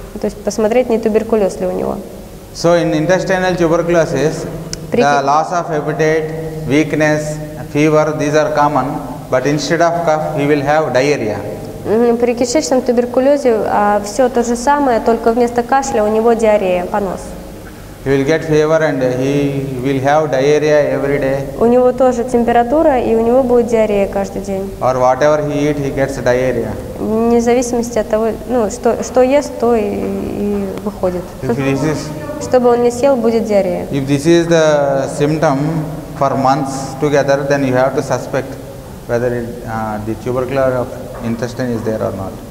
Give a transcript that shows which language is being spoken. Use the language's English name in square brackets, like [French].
[Russian] То есть посмотреть, не туберкулез ли у него. [English] So in intestinal tuberculosis, the loss of appetite, weakness, fever, these are common, but instead of cough, he will have diarrhea. [Russian] При кишечном туберкулезе все то же самое, только вместо кашля у него диарея, понос. [English] He will get fever and he will have diarrhea every day. [Russian] У него тоже температура и у него будет диарея каждый день. [English] Or whatever he eat, he gets diarrhea. [Russian] Вне зависимости от того, ну, что ест, то и выходит. Что бы он ни съел, будет диарея. [English] If this is the symptom for months together, then you have to suspect whether the tuberculosis of intestine is there or not.